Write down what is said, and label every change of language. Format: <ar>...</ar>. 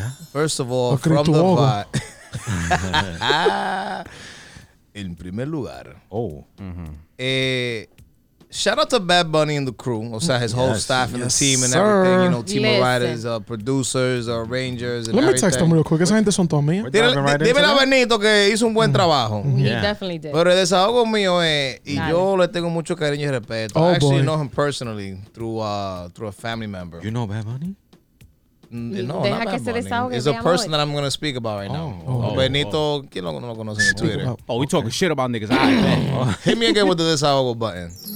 <en>First of all, from the pot.</en> <es>In primer lugar. Oh.</es> <en>Shout out to Bad Bunny and the crew.</en> <es>O sea,</es> <en>his whole staff and the team and everything. You know, team of writers, producers, arrangers, and everything. Let me text them real quick.</en> <es>Esa gente son todos míos. Dime a Benito que hizo un buen trabajo.</es> <en>He definitely did.</en> <es>Pero el desahogo mío es, y yo le tengo mucho cariño y respeto. Oh,</es> <en>I actually know him personally through a family member. You know Bad Bunny? No, not Bad Bunny. It's a person that I'm going to speak about right now. Oh,</en> <es>Benito, ¿quién lo conoce en Twitter?</es> <en>Oh, we talking shit about niggas. All right, man. Hit me again with the desahogo button.</en>